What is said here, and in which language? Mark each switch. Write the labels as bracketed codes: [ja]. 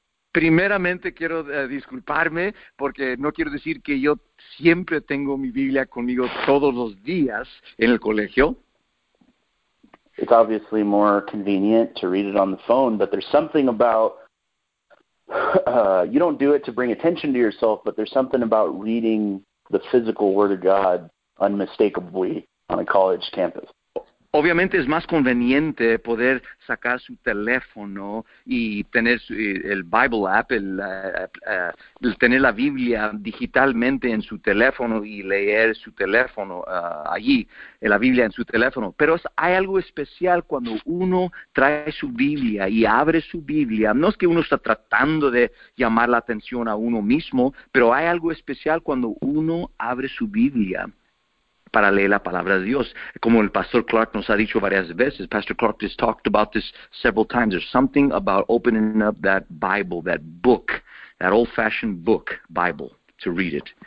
[es] Primeramente quiero disculparme porque no quiero decir que yo siempre tengo mi Biblia conmigo todos los días en el colegio. [en] It's obviously more convenient to read it on the phone, but there's something about you don't do it to bring attention to yourself, but there's something about reading the physical Word of God unmistakably on a college campus. [es] Obviamente es más conveniente poder sacar su teléfono y tener el Bible app, el tener la Biblia digitalmente en su teléfono y leer su teléfono allí, la Biblia en su teléfono. Pero hay algo especial cuando uno trae su Biblia y abre su Biblia. No es que uno está tratando de llamar la atención a uno mismo, pero hay algo especial cuando uno abre su Biblia para leer la palabra de Dios. Como el [en] Pastor Clark nos ha dicho varias veces, Pastor Clark has talked about this several times. There's something about opening up that Bible, that book, that old-fashioned book, Bible, to read it.